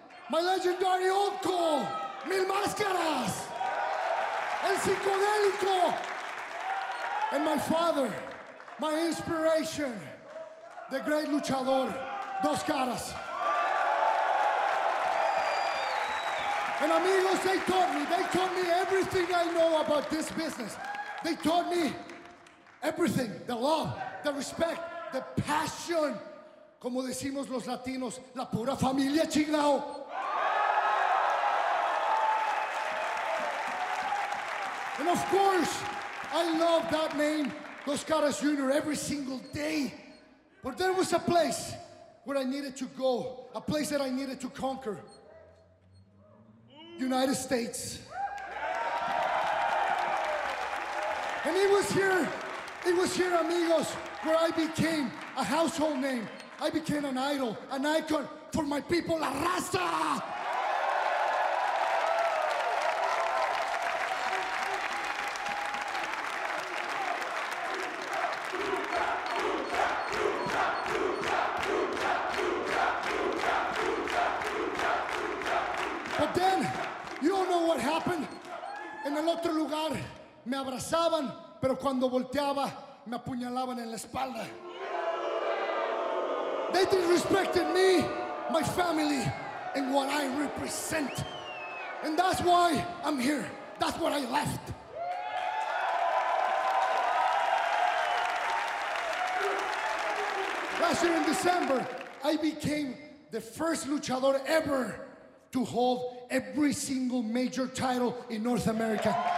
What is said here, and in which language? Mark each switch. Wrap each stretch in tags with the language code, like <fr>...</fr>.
<en>My legendary uncle, Mil Máscaras, El Psicodélico, and my father, my inspiration, the great luchador, Dos Caras. And amigos, they taught me everything I know about this business. They taught me everything, the love, the respect, the passion.</en> <es>Como decimos los latinos, la pura familia chingao.</es> <en>And of course, I love that name, Dos Caras Jr., every single day. But there was a place where I needed to go, a place that I needed to conquer. United States. And it was here, amigos, where I became a household name. I became an idol, an icon for my people, La Raza! But then, you all know what happened?</en> <es>En el otro lugar, me abrazaban, pero cuando volteaba, me apuñalaban en la espalda.</es> <en>They disrespected me, my family, and what I represent. And that's why I'm here. That's what I left. Last year in December, I became the first luchador ever to hold every single major title in North America.</en>